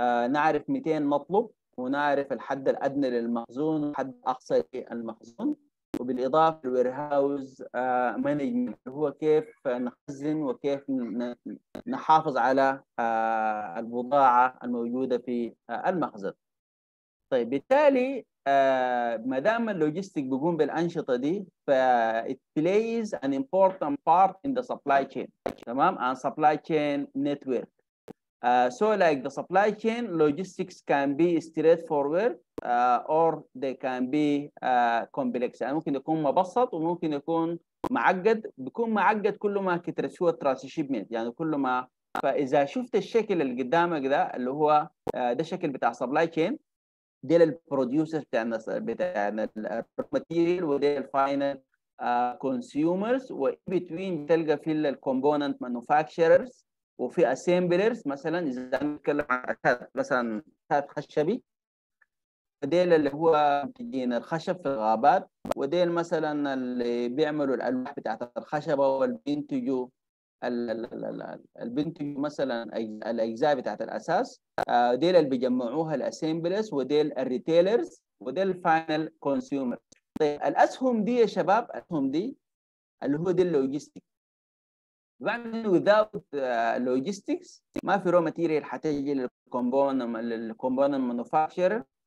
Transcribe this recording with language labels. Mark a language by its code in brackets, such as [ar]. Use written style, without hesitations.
[ar] نعرف 200 مطلوب ونعرف الحد الأدنى للمخزون وحد أقصى للمخزون، وبالإضافة للويرهاوز مانجمنت اللي هو كيف نخزن وكيف نحافظ على البضاعة الموجودة في المخزن. طيب بالتالي ما دام اللوجيستيك بيقوم بالأنشطة دي، فـ [en] it plays an important part in the supply chain. [ar] تمام؟ [en] and supply chain network. So like the supply chain, logistics can be straightforward or they can be complex. [ar] يعني ممكن يكون مبسط وممكن يكون معقد. بيكون معقد كل ما كترت هو الترانسشيبمنت، يعني كل ما، فإذا شفت الشكل اللي قدامك ده اللي هو ده شكل بتاع supply chain، ده للبروديوسر بتاعنا الماتيريال، وده الفاينل كونسيومرز، وإن بتوين تلقى في الكومبوننت مانوفاكشررز، وفي assemblers مثلا اذا نتكلم عن مثلا اثاث خشبي، وديل اللي هو منتجين الخشب في الغابات، وديل مثلا اللي بيعملوا الالواح بتاعت الخشبه، والبنتجو البنتجو مثلا الاجزاء بتاعت الاساس، وديل اللي بيجمعوها assemblers، وديل الريتيلرز، وديل الفاينل كونسيومر. طيب الاسهم دي يا شباب، الاسهم دي اللي هو دي اللوجيستيك. بعدين without logistics ما في raw material حتجي للcomponent manufacturer.